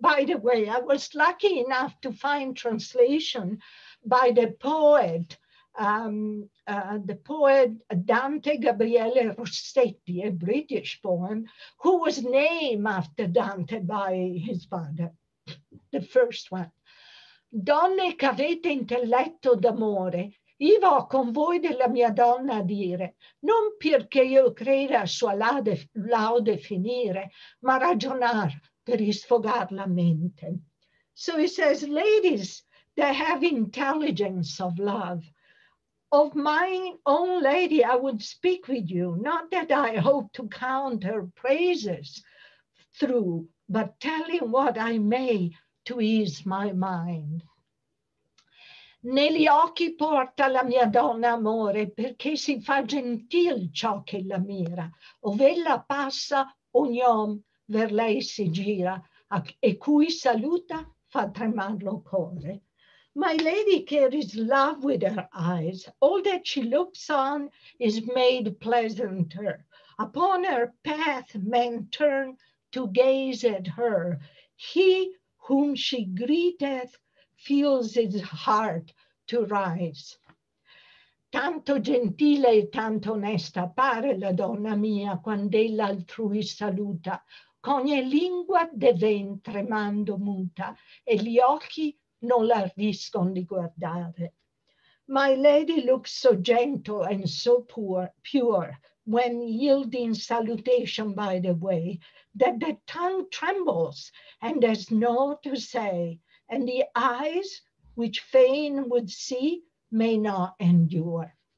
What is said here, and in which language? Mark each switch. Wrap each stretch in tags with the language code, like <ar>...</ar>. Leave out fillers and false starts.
<en>By the way, I was lucky enough to find translation by the poet, Dante Gabriele Rossetti, a British poem, who was named after Dante by his father, the first one.</en> <it>Donne che avete intelletto d'amore, io vo con voi della mia donna dire, non perché io creda a sua laude finire, ma ragionar per sfogar la mente.</it> <en>So he says, ladies that have intelligence of love, of my own lady, I would speak with you, not that I hope to count her praises through, but telling what I may to ease my mind.</en> <it>Negli occhi porta la mia donna amore, perché si fa gentil ciò che la mira. Ov'ella passa, ogni om ver lei si gira, e cui saluta fa tremar lo core.</it> <en>My lady carries love with her eyes. All that she looks on is made pleasanter. Upon her path men turn to gaze at her. He whom she greeteth feels his heart to rise.</en> <it>Tanto gentile e tanto onesta pare la donna mia quando ella altrui saluta, ch'ogni lingua deven tremando muta e gli occhi non l'ardiscon di guardare.</it> <en>My lady looks so gentle and so pure when yielding salutation by the way, that the tongue trembles and has no to say, and the eyes which fain would see may not endure.</en>